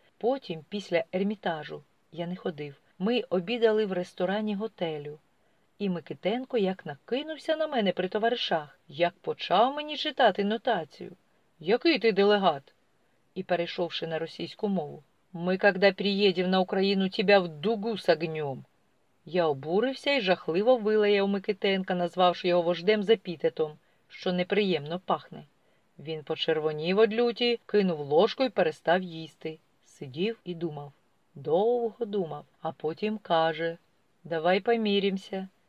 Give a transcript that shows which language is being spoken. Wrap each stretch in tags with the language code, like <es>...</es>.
<uk>Потім, після Ермітажу, я не ходив. Ми обідали в ресторані готелю. І Микитенко як накинувся на мене при товаришах, як почав мені читати нотацію. «Який ти делегат?» І перейшовши на російську мову.</uk> <ru>«Ми, когда приедем на Україну, тебя в дугу с огнем».</ru> <uk>Я обурився і жахливо вилаяв Микитенка, назвавши його вождем з епітетом, що неприємно пахне. Він почервонів од люті, кинув ложку і перестав їсти. Сидів і думав. Довго думав. А потім каже, давай помірімся.</uk>